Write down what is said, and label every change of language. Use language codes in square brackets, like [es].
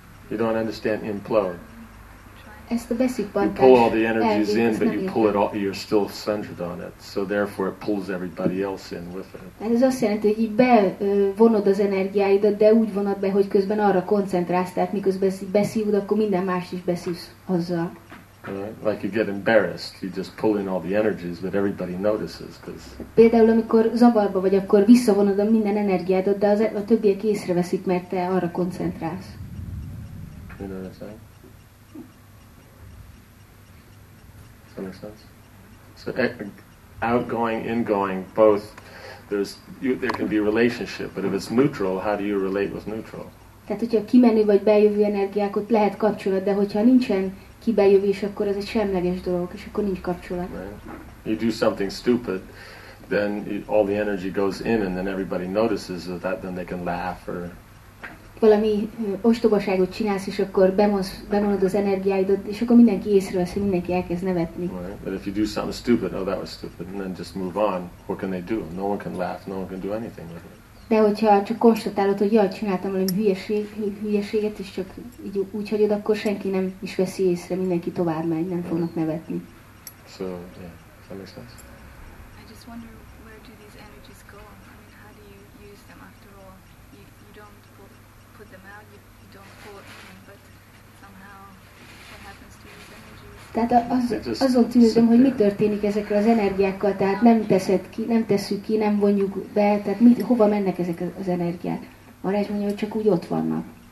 [en] You don't understand implode. [hu] Ezt a beszippantást. [en] You pull all the energies in, but you pull it all, you're still centered on it. So therefore it pulls everybody else in with it. [hu] Ez azt jelenti, hogy így bevonod az energiáidat, de úgy vonod be, hogy közben arra koncentrálsz, tehát miközben beszívod, akkor minden más is beszívsz azzal. [en] Right. Like you get embarrassed, you just pull in all the energies, but everybody notices, because. [hu] Például amikor zavarba vagy, akkor visszavonod a minden energiádat, de a többiek észreveszik, mert te arra koncentrálsz. [en] You know what I'm saying? Does that make sense? So outgoing, ingoing, both. There can be a relationship, but if it's neutral, how do you relate with neutral? [hu] Tehát hogyha kimenő vagy bejövő energiák, ott lehet kapcsolat, de hogyha nincsen kibejövő, és akkor ez egy semleges dolog, és akkor nincs kapcsolat. [en] Right. You do something stupid, then all the energy goes in, and then everybody notices that, then they can laugh or. [hu] Valami ostobaságot csinálsz, és akkor bemonod az energiáidat, és akkor mindenki észrevesz, hogy mindenki elkezd nevetni. [en] Right. But if you do something stupid, oh that was stupid, and then just move on, what can they do? No one can laugh, no one can do anything with it. [hu] De hogyha csak konstatálod, hogy jaj, csináltam valami hülyeséget, és csak így úgy hagyod, akkor senki nem is veszi észre, mindenki tovább megy, nem fognak nevetni. [en] So, yeah, does that make sense? I just wonder, where do these energies go? I mean, how do you use them after all? You don't put them out, you don't pull them, but somehow, what happens to these energies? [hu] Tehát azon tűnődöm, hogy mi történik ezekkel az energiákkal, tehát nem teszed ki, nem tesszük ki, nem vonjuk be, tehát hova mennek ezek az energiák? Marács mondja, hogy csak úgy ott vannak.